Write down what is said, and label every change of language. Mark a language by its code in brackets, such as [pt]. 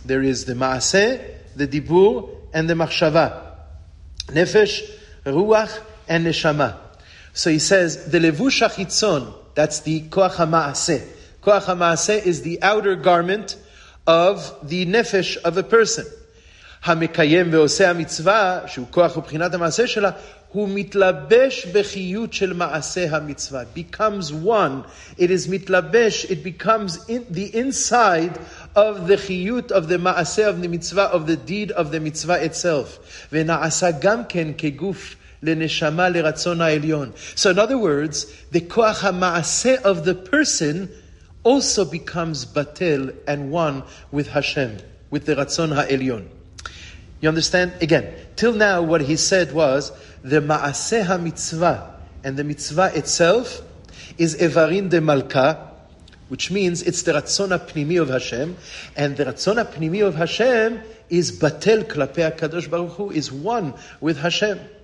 [en] There is the maaseh, the dibur, and the machshava. Nefesh, ruach, and neshama. So he says, the levush achitzon, that's the koach ha-maaseh. Koach ha-maaseh is the outer garment of the nefesh of a person. [he] המקיים ועושה המצווה, שהוא כוח ובחינת המעשה שלה, הוא מתלבש בחיות של מעשה המצווה. [en] Becomes one. It is מתלבש, it becomes in the inside of the חיות of the מעשה of the מצווה, of the deed of the מצווה itself. [he] ונעשה גם כן כגוף לנשמה לרצון העליון. [en] So in other words, the כוח המעשה of the person also becomes batel and one with Hashem, with the רצון העליון. You understand? Again, till now what he said was, the ma'aseh ha-mitzvah, and the mitzvah itself, is evarin de malka, which means it's the ratzon ha-pnimi of Hashem, and the ratzon ha-pnimi of Hashem is batel klapei HaKadosh Baruch Hu, is one with Hashem.